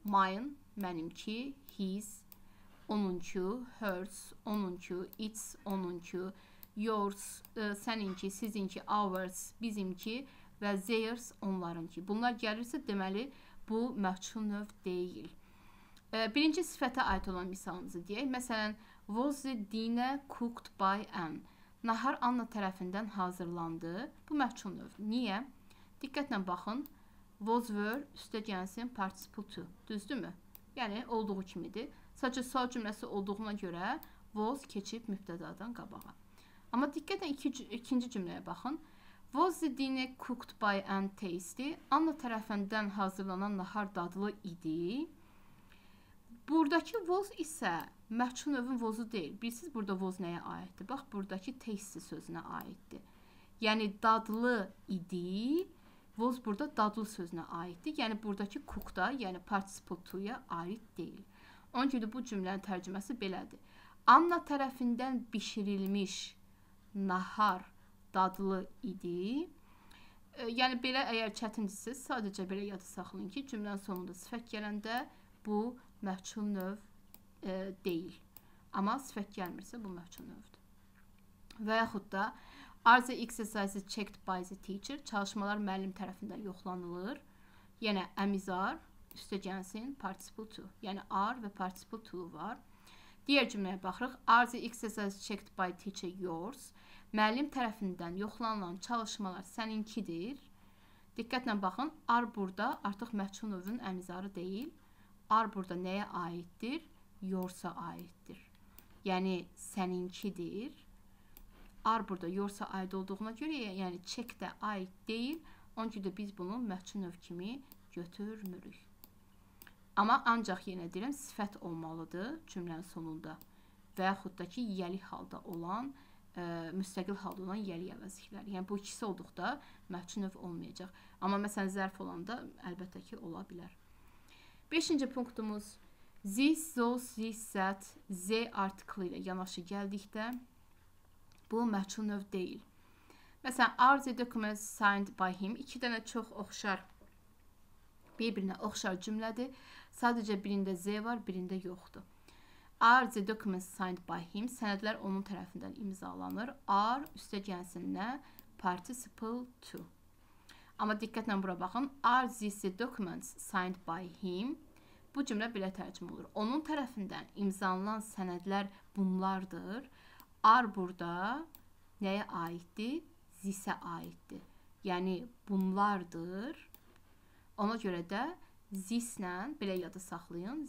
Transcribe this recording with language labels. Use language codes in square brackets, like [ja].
[az] Mine, mənimki, his, onunki, hers, onunki, its, onunki, yours, səninki, sizinki, ours, bizimki və theirs, onlarınki. Bunlar gəlirsə, deməli, bu məhçul növ deyil. Birinci sifətə aid olan misalımızı deyək. Məsələn, [en] was the dinner cooked by Anne? [az] Nahar Anna tərəfindən hazırlandı. Bu məhçul növ. Niyə? Diqqətlə baxın. Was were, üstə gəlsin, participle to. Düzdürmü? Yəni, olduğu kimidir. Sadəcə, sual cümləsi olduğuna görə was keçib mübtədadan qabağa. Amma diqqətlə ikinci cümləyə baxın. [en] Was the dinner cooked by Anne tasty? [az] Anna tərəfindən hazırlanan nahar dadlı idi. Buradakı was isə məhçul növün was-u deyil. Bilirsiniz, burada was nəyə aiddir? Bax, buradakı tasty sözünə aiddir. Yəni, dadlı idi. Was burada dadlı sözünə aiddir. Yəni, buradakı cook-da, yəni participle to-ya aid deyil. Onun üçün bu cümlənin tərcüməsi belədir. Anna tərəfindən bişirilmiş nahar dadlı idi. Yəni, belə əgər çətindirsə, sadəcə belə yada saxlayın ki, cümlənin sonunda sifət gələndə bu məhçul növ deyil. Amma sifət gəlmirsə, bu məhçul növdür. Və yaxud da [en] Are the exercises checked by the teacher? [az] Çalışmalar müəllim tərəfindən yoxlanılır. Yenə am is are, üstə gəlsin, participle to. Yəni are və participle to var. Digər cümləyə baxırıq. [en] Are the exercises checked by teacher yours? [az] Müəllim tərəfindən yoxlanılan çalışmalar səninkidir. Diqqətlə baxın. Are burada artıq məchul növün am is are deyil. Are burada nəyə aiddir? Yours-a aiddir. Yəni səninkidir. Are burada yours-a aid olduğuna görə, yəni check də aid deyil. Onun üçün də biz bunu məchul növ kimi götürmürük. Amma ancaq yenə deyirəm, sifət olmalıdır cümlənin sonunda və yaxud da ki, yəli halda olan, müstəqil halda olan yəli əvəzlikləri. Yəni, bu ikisi olduqda məchul növ olmayacaq. Amma məsələn, zərf olanda əlbəttə ki, ola bilər. Beşinci punktumuz. This, those, this, that, z artikli ilə yanaşı gəldikdə bu məchul növ deyil. Məsələn, [en] are the documents signed by him? [az] İki dənə çox oxşar, bir-birinə oxşar cümlədir. Sadəcə birində z var, birində yoxdur. [en] Are the documents signed by him? [az] Sənədlər onun tərəfindən imzalanır. Are üstə gəlsinlə participle to. Amma diqqətlə bura baxın. [en] Are these documents signed by him? [az] Bu cümlə belə tərcümə olur. Onun tərəfindən imzalanan sənədlər bunlardır. Are burada nəyə aiddir? This-ə aiddir. Yəni bunlardır. Ona görə də this-lə belə yada saxlayın.